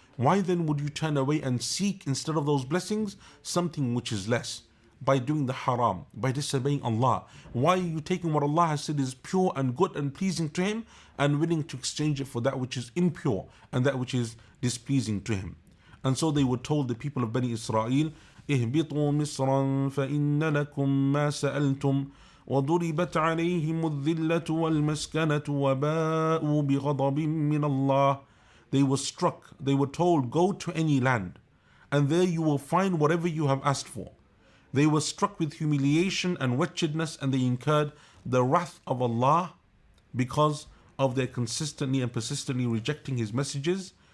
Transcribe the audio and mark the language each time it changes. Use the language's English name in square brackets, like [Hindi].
[English] Why then would you turn away and seek, instead of those blessings, something which is less? By doing the haram, by disobeying Allah. Why are you taking what Allah has said is pure and good and pleasing to Him and willing to exchange it for that which is impure and that which is displeasing to Him? And so they were told the people of Bani Israel, [Arabic] اِهْبِطُوا مِصْرًا فَإِنَّ لَكُمْ مَا سَأَلْتُمْ وَضُرِبَتْ عَلَيْهِمُ الذِّلَّةُ وَالْمَسْكَنَةُ وَبَاءُوا بِغَضَبٍ مِّنَ اللَّهِ. [English] They were struck. They were told, go to any land and there you will find whatever you have asked for. They were struck with humiliation and wretchedness and they incurred the wrath of Allah because of their consistently and persistently rejecting His messages.